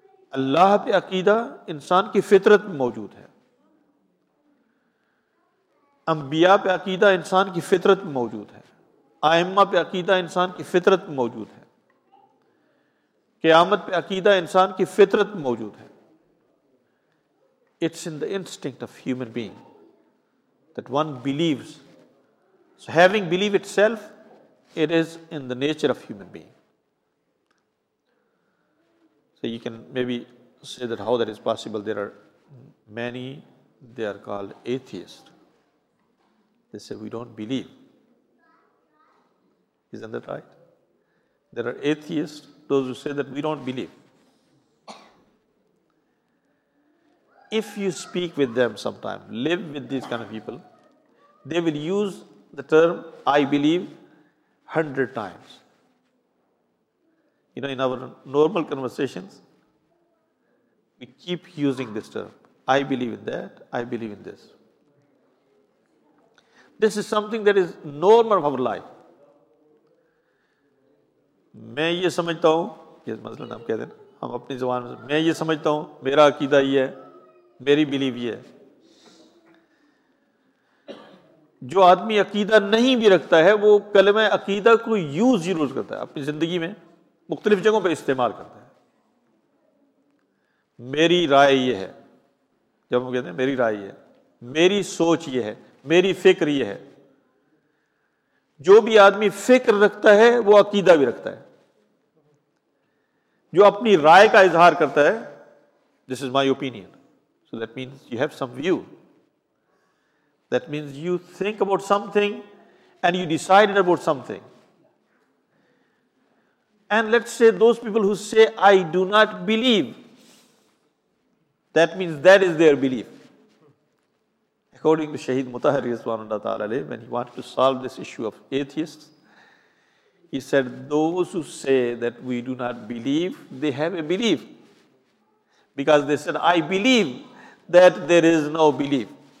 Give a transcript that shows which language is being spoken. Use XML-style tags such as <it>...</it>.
<ur>اللہ پہ عقیدہ انسان کی فطرت میں موجود ہے, انبیاء پہ عقیدہ انسان کی فطرت میں موجود ہے, آئمہ پہ عقیدہ انسان کی فطرت میں موجود ہے, قیامت پہ عقیدہ انسان کی فطرت میں موجود ہے.</ur> <en>It's in the instinct of human being that one believes. So having belief itself It is in the nature of human being. So you can maybe say that how that is possible. There are many, they are called atheists. They say, we don't believe. Isn't that right? There are atheists, those who say that we don't believe. If you speak with them sometime, live with these kind of people, they will use the term, I believe, 100 times. You know, in our normal conversations, we keep using this term. I believe in that, I believe in this. This is something that is normal of our life.</en> <ur>میں یہ سمجھتا ہوں, یہ مسئلہ ہم کہتے ہیں ہم اپنی زبان میں, میں یہ سمجھتا ہوں, میرا عقیدہ یہ ہے, میری بلیف یہ ہے. جو آدمی عقیدہ نہیں بھی رکھتا ہے وہ کلمہ عقیدہ کو یوز ضرور کرتا ہے اپنی زندگی میں, مختلف جگہوں پہ استعمال کرتا ہے. میری رائے یہ ہے, جب ہم کہتے ہیں میری رائے یہ ہے, میری سوچ یہ ہے, میری فکر یہ ہے. جو بھی آدمی فکر رکھتا ہے وہ عقیدہ بھی رکھتا ہے. جو اپنی رائے کا اظہار کرتا ہے,</ur> <en>This is my opinion, so that means you have some view, that means you think about some thing and you decide about some thing. And let's say those people who سے I do not believe, that means that is there belief. According to Shaheed Mutahhar Rizwan Allah Ta'ala Alayh, when he wanted to solve this issue of atheists, he said, those who say that we do not believe, they have a belief. Because they said, I believe that there is no belief.</en>